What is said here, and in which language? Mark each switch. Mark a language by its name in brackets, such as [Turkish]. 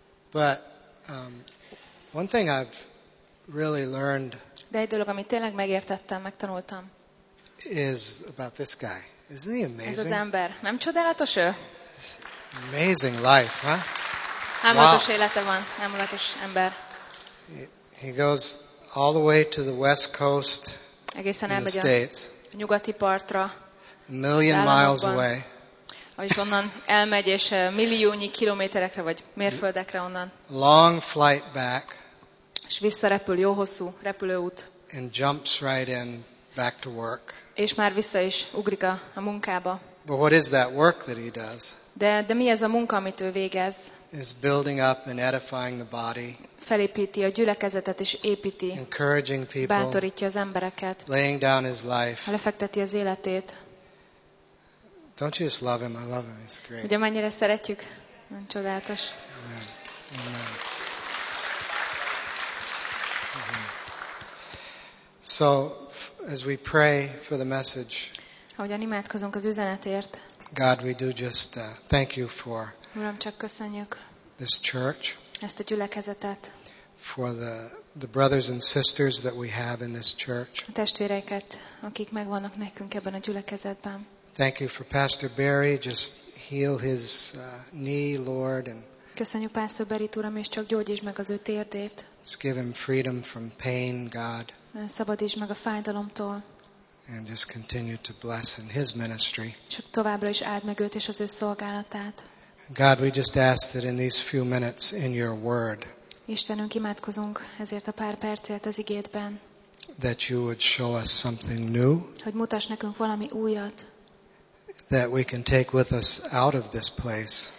[English] But one thing I've really learned. [Hungarian] De egy dolog, amit tényleg megértettem, megtanultam. [English] Is about this guy. Isn't he amazing? [Hungarian] Ez az ember. Nem csodálatos ő? [English] Amazing life, huh? Álmatos wow. [Hungarian] Élete van, álmatos ember. [English] He goes all the way to the West Coast. [Hungarian] Egészen [English] in the States. [Hungarian] A nyugati partra. [English] A million miles away. [Hungarian] Ahogy onnan elmegy, és milliónyi kilométerekre vagy mérföldekre onnan. [English] Long flight back. [Hungarian] És visszarepül, jó hosszú repülőút. [English] And jumps right in back to work. [Hungarian] És már vissza is ugrik a munkába. [English] But what is that work that he does? [Hungarian] De mi ez a munka, amit ő végez? [English] Is building up and edifying the body. [Hungarian] Felépíti a gyülekezetet és építi. [English] Encouraging people. [Hungarian] Bátorítja az embereket. [English] Laying down his life. [Hungarian] Lefekteti az életét. [English] Don't you just love him? I love him. He's great. [Hungarian] Ugye mennyire szeretjük? Nagyon csodálatos. Amen. Amen. [English] So, as we pray for the message. [Hungarian] Ahogyan imádkozunk az üzenetért. [English] God, we do just thank you for. [Hungarian] Uram, csak köszönjük. [English] This church. [Hungarian] Ezt a gyülekezetet. [English] For the brothers and sisters that we have in this church. [Hungarian] A testvéreket, akik megvannak nekünk ebben a gyülekezetben. [English] Thank you for Pastor Barry, just heal his knee, Lord, and. [Hungarian] Köszönjük Pásztor Barryt, Uram, és csak gyógyítsd meg az ő térdét. [English] Just give him freedom from pain, God. [Hungarian] Szabadítsd meg a fájdalomtól. [English] And just continue to bless in his ministry. [Hungarian] Csak továbbra is áld meg őt és az ő szolgálatát. [English] God, we just ask that in these few minutes in your word. [Hungarian] Istenünk, imádkozunk ezért a pár percért az igédben. [English] That you would show us something new. [Hungarian] Hogy mutass nekünk valami újat. [English] That we can take with us out of this place.